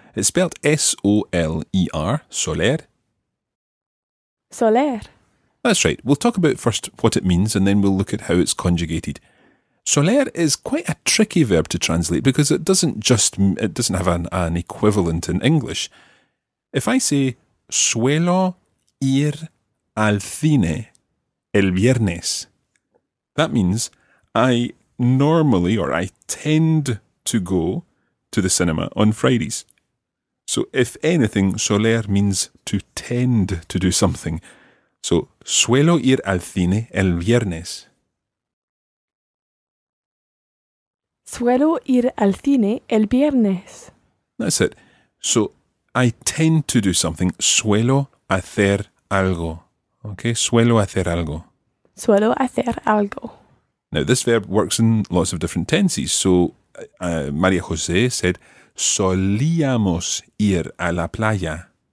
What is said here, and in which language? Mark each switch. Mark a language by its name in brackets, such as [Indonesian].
[English] It's spelled S-O-L-E-R, soler. Soler. That's right. We'll talk about first what it means and then we'll look at how it's conjugated. Soler is quite a tricky verb to translate because it doesn't have an equivalent in English. If I say, suelo ir al cine el viernes, That means I normally, or I tend to go to the cinema on Fridays. So if anything, soler means to tend to do something. [Spanish] So suelo ir al cine el viernes. Suelo ir al cine el viernes. [English] That's it. So I tend to do something. [Spanish] Suelo hacer algo. Okay, suelo hacer algo. Suelo hacer algo. [English] Now, this verb works in lots of different tenses. So, María José said, solíamos ir a la playa.